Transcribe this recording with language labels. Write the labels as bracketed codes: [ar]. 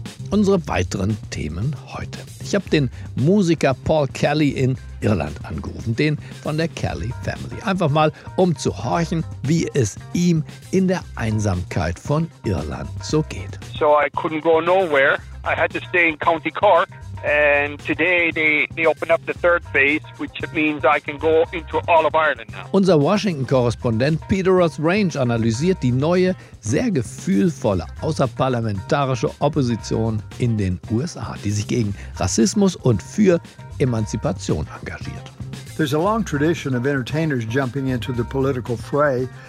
[de] Unsere weiteren Themen heute. Ich habe den Musiker Paul Kelly in Irland angerufen, den von der Kelly Family. Einfach mal, um zu horchen, wie es ihm in der Einsamkeit von Irland so geht. [en] So I couldn't go nowhere. I had to stay in County Cork. And today they open up the third phase, which means I can go into all of Ireland now. [de] Unser Washington-Korrespondent Peter Rothrange analysiert die neue, sehr gefühlvolle außerparlamentarische Opposition in den USA, die sich gegen Rassismus und für Emanzipation engagiert. [en] There's a long tradition of entertainers jumping into the political fray.